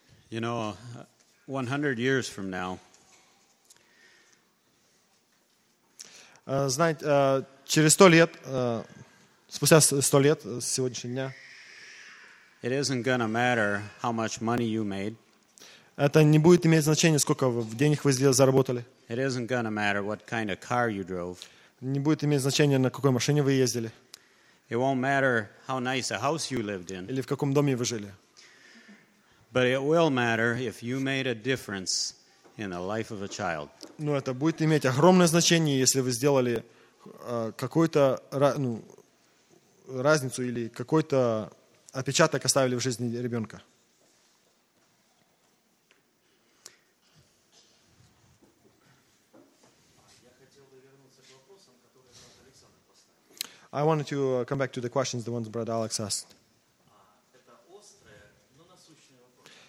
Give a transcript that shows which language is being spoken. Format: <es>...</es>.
<en>You know, 100 years from now.</en> <ru>Знаете, через 100 лет, спустя 100 лет с сегодняшнего дня.</ru> <en>It isn't gonna matter how much money you made.</en> <ru>Это не будет иметь значения, сколько денег вы заработали.</ru> <en>It isn't gonna matter what kind of car you drove.</en> <ru>Не будет иметь значения, на какой машине вы ездили.</ru> <en>It won't matter how nice a house you lived in.</en> <ru>Или в каком доме вы жили.</ru> <en>But it will matter if you made a difference in the life of a child.</en> <ru>Но это будет иметь огромное значение, если вы сделали какую-то разницу или какой-то отпечаток оставили в жизни ребенка.</ru> <en>I wanted to come back to the questions, the ones brother Alex asked.</en> <ru>Это острые, но насущные вопросы.</ru>